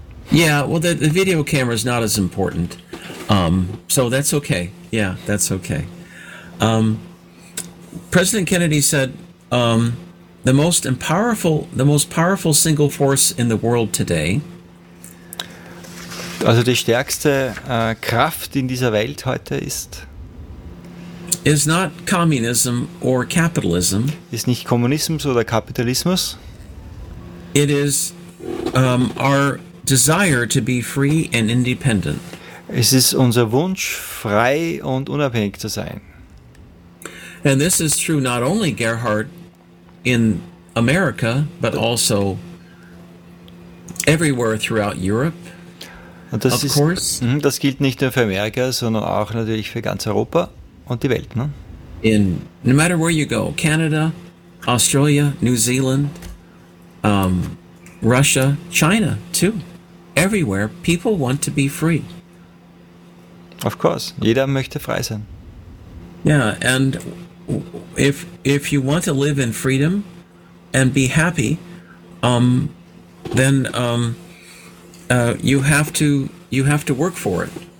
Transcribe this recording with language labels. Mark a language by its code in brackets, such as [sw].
[en] Yeah, well, the video camera is not as important. So that's okay. Yeah, that's okay. President Kennedy said, the most powerful single force in the world today. [de] Also die stärkste Kraft in dieser Welt heute ist. [en] Is not communism or capitalism. [de] Ist nicht Kommunismus oder Kapitalismus. [en] It is our desire to be free and independent. Es ist unser Wunsch, frei und unabhängig zu sein. And this is true not only Gerhard in America, but also everywhere throughout Europe. [de] Und das of course. Das gilt nicht nur für Amerika, sondern auch natürlich für ganz Europa und die Welt. Ne? [en] In no matter where you go, Canada, Australia, New Zealand, Russia, China too. Everywhere, people want to be free. Of course, [de] jeder möchte frei sein. [en] Yeah, and if you want to live in freedom and be happy, you have to work for it.